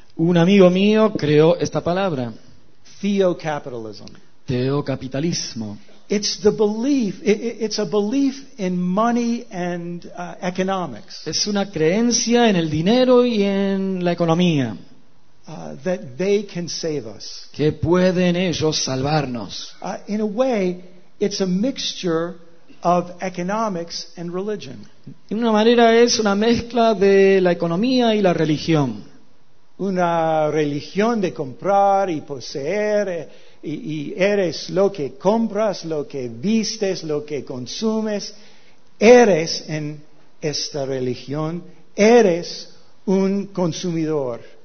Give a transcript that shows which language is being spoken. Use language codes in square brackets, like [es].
[es] Un amigo mío creó esta palabra. [en] Theocapitalism. [es] Teocapitalismo. [en] It's the belief. It's a belief in money and economics. [es] Es una creencia en el dinero y en la economía. [en] That they can save us. [es] Que pueden ellos salvarnos. [en] In a way, it's a mixture of economics and religion. [es] En una manera es una mezcla de la economía y la religión. Una religión de comprar y poseer. Y eres lo que compras, lo que vistes, lo que consumes. Eres en esta religión, eres un consumidor.